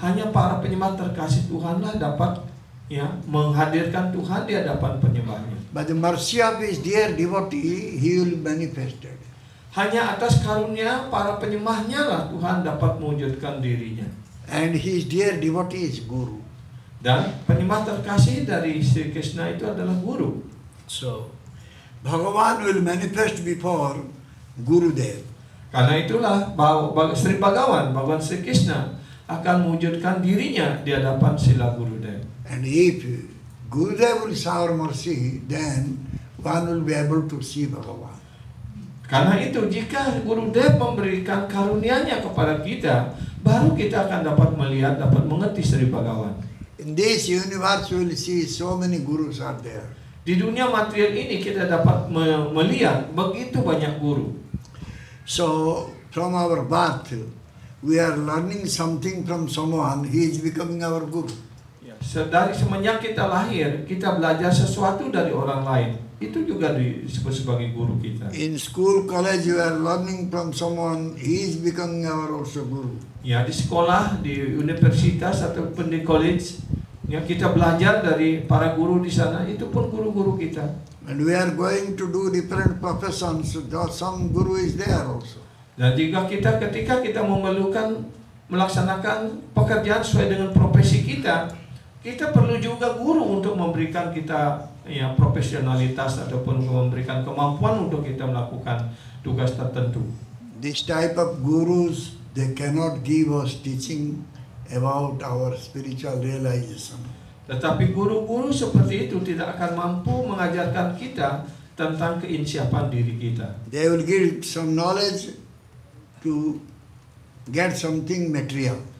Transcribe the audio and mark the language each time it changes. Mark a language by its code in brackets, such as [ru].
[id] Hanya para penyembah terkasih Tuhanlah dapat ya menghadirkan Tuhan di hadapan penyembahnya. [en] By the mercy of his dear devotee, he will manifest. [id] Hanya atas karunia para penyembahnya lah Tuhan dapat mewujudkan dirinya. [en] And his dear devotee is guru. [id] Dan penyembah terkasih dari Sri Krishna itu adalah guru. [en] So, Bhagavan will manifest before Gurudev. [id] Karena itulah Bhagavan Sri Krishna akan mewujudkan dirinya di hadapan sila Gurudev. [en] And if Gurudev will show mercy, then one will be able to see Bhagavan. [id] Karena itu jika Gurudev memberikan karunianya kepada kita, baru kita akan dapat melihat, dapat mengerti Sri Bhagavan. [en] In this universe, we will see so many gurus are there. [id] Di dunia material ini kita dapat melihat begitu banyak guru. [en] So from our birth, we are learning something from someone. He is becoming our guru. [id] Dari semenjak kita lahir, kita belajar sesuatu dari orang lain. Itu juga disebut sebagai guru kita. [en] In school, college, we are learning from someone. He is becoming our also guru. [id] Ya, di sekolah, di universitas ataupun di college, yang kita belajar dari para guru di sana, itu pun guru-guru kita. [en] And we are going to do different professions, so some guru is there also. [id] Dan juga kita ketika kita memerlukan melaksanakan pekerjaan sesuai dengan profesi kita, kita perlu juga guru untuk memberikan kita ya profesionalitas ataupun memberikan kemampuan untuk kita melakukan tugas tertentu. [en] This type of gurus, they cannot give us teaching about our spiritual realization. [id] Tetapi guru-guru seperti itu tidak akan mampu mengajarkan kita tentang keinsyafan diri kita. [en] They will give some knowledge to get something material.